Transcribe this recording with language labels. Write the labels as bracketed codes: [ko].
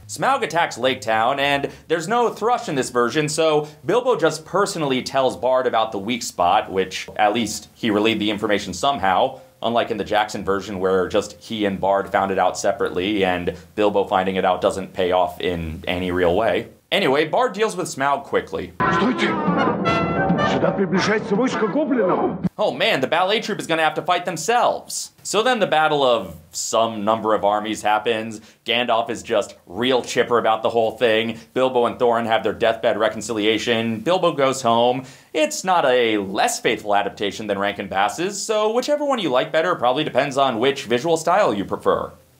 [en] Smaug attacks Lake Town, and there's no thrush in this version, so Bilbo just personally tells Bard about the weak spot, which at least he relayed the information somehow. Unlike in the Jackson version where just he and Bard found it out separately and Bilbo finding it out doesn't pay off in any real way. Anyway, Bard deals with Smaug quickly. [ru] Стойте! Сюда приближается войско гоблинов! [en] Oh man, the ballet troupe is gonna have to fight themselves. So then the battle of some number of armies happens. Gandalf is just real chipper about the whole thing. Bilbo and Thorin have their deathbed reconciliation. Bilbo goes home. It's not a less faithful adaptation than Rankin-Bass's, so whichever one you like better probably depends on which visual style you prefer.